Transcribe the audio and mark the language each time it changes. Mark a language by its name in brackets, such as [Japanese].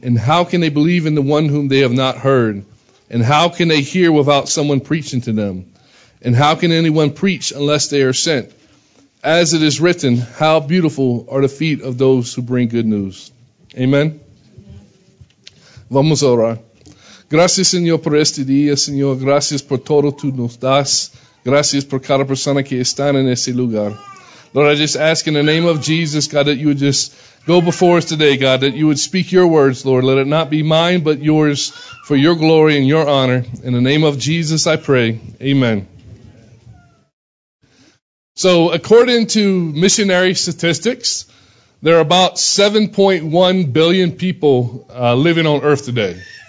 [English] And how can they believe in the one whom they have not heard? And how can they hear without someone preaching to them? And how can anyone preach unless they are sent? As it is written, how beautiful are the feet of those who bring good news. [Spanish] Amen. Vamos a orar. Gracias, Señor, por este día, Señor. Gracias por todo tú nos das. Gracias por cada persona que está en ese lugar. [English] Lord, I just ask in the name of Jesus, God, that you would just go before us today, God, that you would speak your words, Lord. Let it not be mine, but yours, for your glory and your honor. In the name of Jesus, I pray. Amen. So, according to missionary statistics, there are about 7.1 billion people living on earth today.